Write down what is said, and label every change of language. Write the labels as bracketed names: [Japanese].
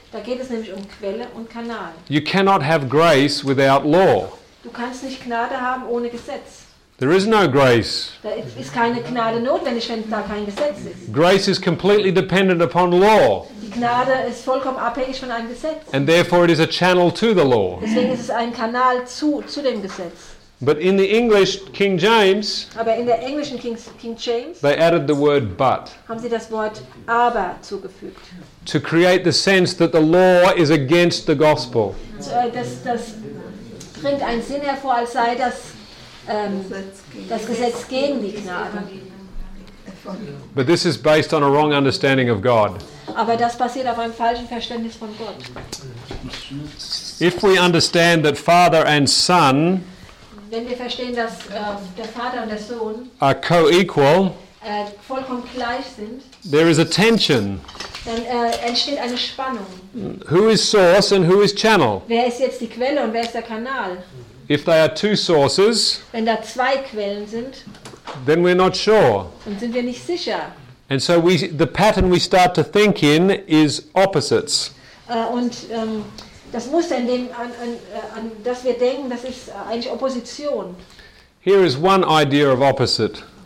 [German] Da geht es nämlich um Quelle und Kanal. [English] You cannot have grace without law. [German] Du kannst nicht Gnade haben ohne Gesetz. [English] There is no grace. [German] Da ist keine Gnade notwendig, wenn da kein Gesetz ist. [English] Grace is completely dependent upon law. [German] Die Gnade ist vollkommen abhängig von einem Gesetz. [English] And therefore it is a channel to the law. [German] Deswegen ist es ein Kanal zu dem Gesetz. [English] But in the English King James, [German] aber in der englischen King James, [English] they added the word but. [German] Haben sie das Wort aber zugefügt. [English] To create the sense that the law is against the gospel. [German] Das bringt einen Sinn hervor, als sei das Gesetz gegen die Gnade. [English] But this is based on a wrong understanding of God. [German] Aber das basiert auf einem falschen Verständnis von Gott. [English] If we understand that Father and Son, [German] wenn wir verstehen, dass der Vater und der Sohn [English] are co-equal, [German] vollkommen gleich sind, [English] there is a tension. [German] Dann entsteht eine Spannung. [English] Who is source and who is channel? [German] Wer ist jetzt die Quelle und wer ist der Kanal? [English] If they are two sources, [German] wenn da zwei Quellen sind, [English] then we're not sure. [German] Dann sind wir nicht sicher. [English] And so the pattern we start to think in is opposites. [German] Das Muster, an das wir denken, das ist eigentlich Opposition. [English] Here is one idea of opposite.